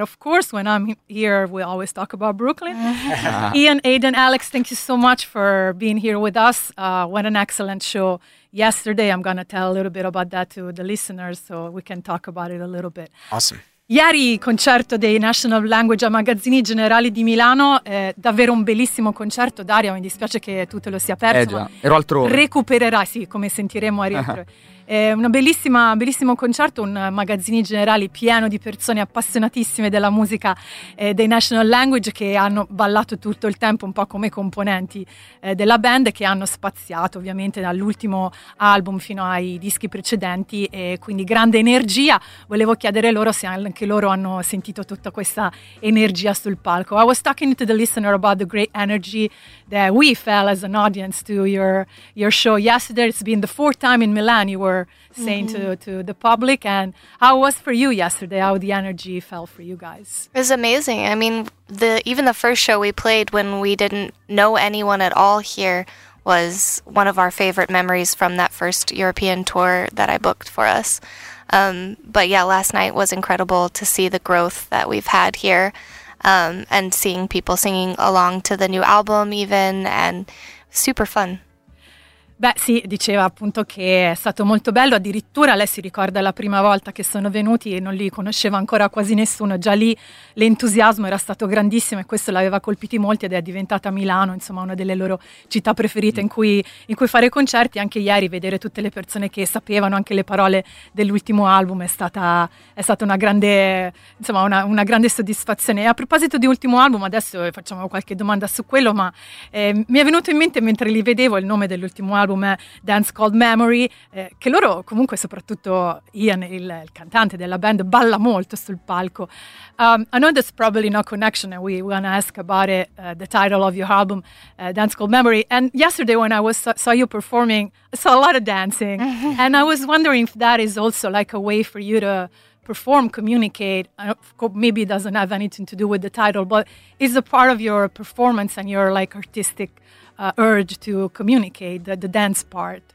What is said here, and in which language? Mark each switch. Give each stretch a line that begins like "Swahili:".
English: Of course, when I'm here, we always talk about Brooklyn. Ian, Aidan, Alex, thank you so much for being here with us. What an excellent show yesterday. I'm going to tell a little bit about that to the listeners so we can talk about it a little bit. Awesome.
Italian: Ieri, concerto dei National Language a Magazzini Generali di Milano, davvero un bellissimo concerto. Daria, mi dispiace che tu te lo sia perso. Già, ero altro. Recupererai, sì, come sentiremo a rientro. Un bellissimo concerto, un Magazzini Generali pieno di persone appassionatissime della musica dei National Language che hanno ballato tutto il tempo un po' come componenti della band, che hanno spaziato ovviamente dall'ultimo album fino ai dischi precedenti, e quindi grande energia. Volevo chiedere loro se anche loro hanno sentito tutta questa energia sul palco.
English: I was talking to the listener about the great energy that we felt as an audience to your show yesterday. It's been the fourth time in Milan you were saying to the public, and how it was for you yesterday, how the energy felt for you guys. It was amazing. I mean, even the first show we played when we didn't know anyone at all here was one of our favorite memories from that first European tour that I booked for us. But yeah, last night was incredible to see the growth that we've had here, and seeing people singing along to the new album even, and super fun.
Italian: Beh sì, diceva appunto che è stato molto bello, addirittura lei si ricorda la prima volta che sono venuti e non li conosceva ancora quasi nessuno, già lì l'entusiasmo era stato grandissimo e questo l'aveva colpiti molti ed è diventata Milano, insomma, una delle loro città preferite in cui fare concerti. Anche ieri vedere tutte le persone che sapevano anche le parole dell'ultimo album è stata una grande, insomma, una grande soddisfazione. E a proposito di ultimo album, adesso facciamo qualche domanda su quello, ma mi è venuto in mente mentre li vedevo il nome dell'ultimo album, Dance Called Memory, che loro, comunque soprattutto Ian, il cantante della band, balla molto sul palco.
English: I know there's probably no connection, and we're gonna ask about it, the title of your album, Dance Called Memory. And yesterday when I saw you performing, I saw a lot of dancing. And I was wondering if that is also like a way for you to perform, communicate. Maybe it doesn't have anything to do with the title, but is a part of your performance and your like artistic urge to communicate, the dance part.